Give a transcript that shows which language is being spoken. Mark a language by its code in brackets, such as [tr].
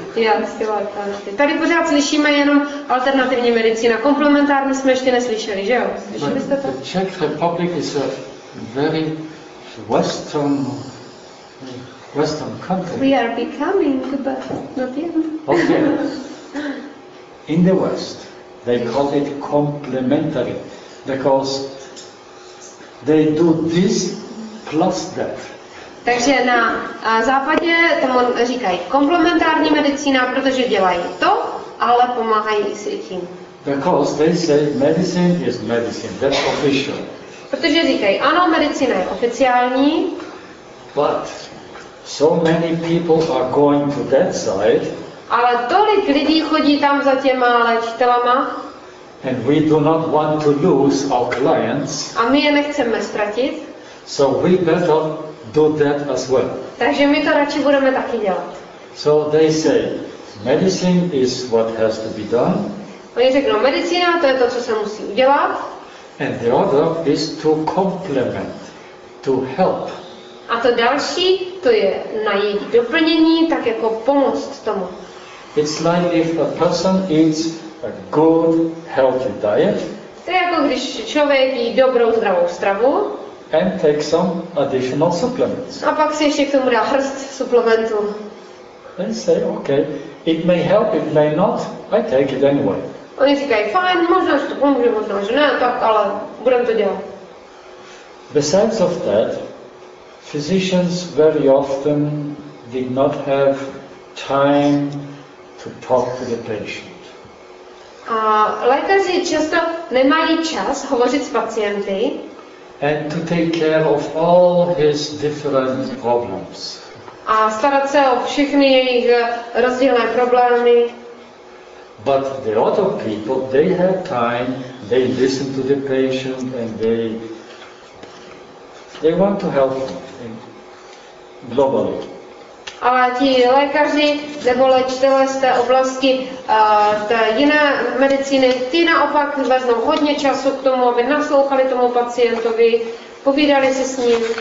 [cs] Yeah, tady pořád slyšíme jenom alternativní medicína. Komplementární jsme ještě neslyšeli, že jo? [en] The Czech Republic is a very western country. We are becoming, but not yet. Okay. In the West, they call it complementary because they do this plus that. [cs] Takže na západě tomu říkají komplementární medicína, protože dělají to, ale pomáhají i s tím. [en] Because they say medicine is medicine, that's official. [cs] Protože říkají, ano, medicína je oficiální. [en] But so many people are going to that side. [cs] Ale tolik lidí chodí tam za těma léčitelama. [en] And we do not want to lose our clients. [cs] A my je nechceme ztratit. [en] So we better do that as well. [cs] Takže my to radši budeme taky dělat. [en] So they say, medicine is what has to be done. [cs] Oni řeknou, medicína to je to, co se musí udělat. [en] And the other is to complement, to help. [cs] A to další, to je na jejich doplnění, tak jako pomoct tomu. [en] It's like if a person eats a good, healthy diet. [cs] To je jako když člověk jí dobrou, zdravou stravu. [en] And take some additional supplements. [cs] A pak si ještě k tomu dá hrst suplementů. [en] They say, okay, it may help, it may not, I take it anyway. [cs] Oni říkají, fajn, možná, že to pomůže, možná, že ne, tak, ale budem to dělat. [en] Besides of that, physicians very often did not have time to talk to the patient. [cs] A lékaři často nemají čas hovořit s pacienty. [en] And to take care of all his different problems. [cs] A starat se o všechny jejich rozdílné problémy. [en] But the other people, they have time, they listen to the patient and they want to help him globally. [cs] Ale ti lékaři nebo léčitelé z té oblasti té jiné medicíny, ty naopak vezmou hodně času k tomu, aby naslouchali tomu pacientovi, povídali se s ním.